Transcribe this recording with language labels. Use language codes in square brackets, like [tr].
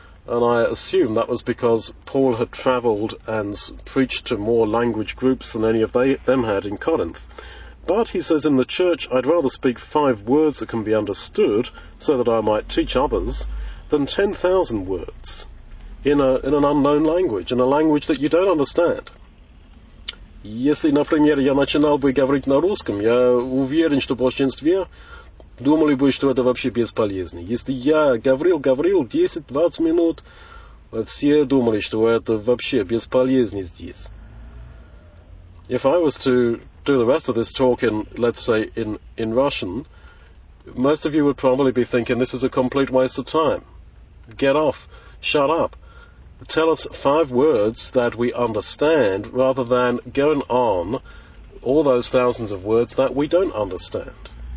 [en] And I assume that was because Paul had travelled and preached to more language groups than any of them had in Corinth. But, he says, in the church I'd rather speak 5 words that can be understood, so that I might teach others, than 10,000 words in an unknown language, in a language that you don't understand. [ru] Если, например, я начинал бы говорить на русском, я уверен, что большинстве думали бы, что это вообще бесполезно. Если я говорил 10-20 минут, все думали, что это вообще бесполезно здесь. [en] If I was to do the rest of this talk in, let's say, in Russian, most of you would probably be thinking, this is a complete waste of time. Get off. Shut up. Tell us 5 words that we understand, rather than going on all those thousands of words that we don't understand.